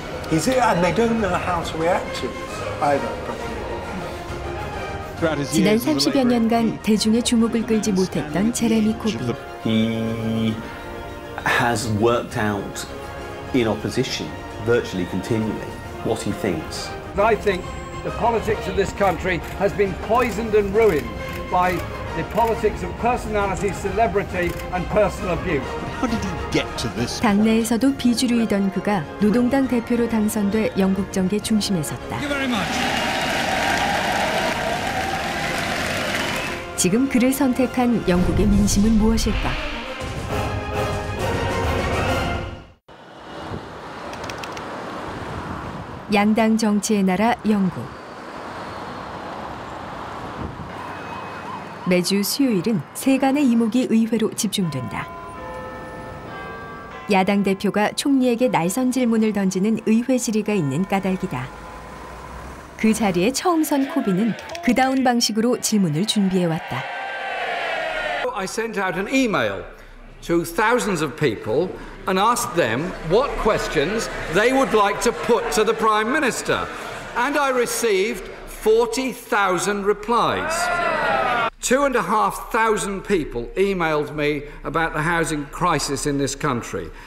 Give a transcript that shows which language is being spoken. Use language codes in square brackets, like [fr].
[en] He's here, and they don't know how to react to either. [ko] 지난 30여 년간 대중의 주목을 끌지 못했던 제레미 코빈. [en] He has worked out in opposition virtually continually what he thinks. I think the politics of this country has been poisoned and ruined by the politics of personality, celebrity and personal abuse. How did he get to this? [ko] 당내에서도 비주류이던 그가 노동당 대표로 당선돼 영국 정계 중심에 섰다. [en] Thank you very much. [ko] 지금 그를 선택한 영국의 민심은 무엇일까? 양당 정치의 나라 영국. 매주 수요일은 세간의 이목이 의회로 집중된다. 야당 대표가 총리에게 날선 질문을 던지는 의회 질의가 있는 까닭이다. 그 자리에 처음 선 코빈은 그다운 방식으로 질문을 준비해 왔다. [en] I sent out an email to thousands of people and asked them what questions they would like to put to the Prime Minister. And I received 40,000 replies. 2,500 people emailed me about the housing crisis in this country.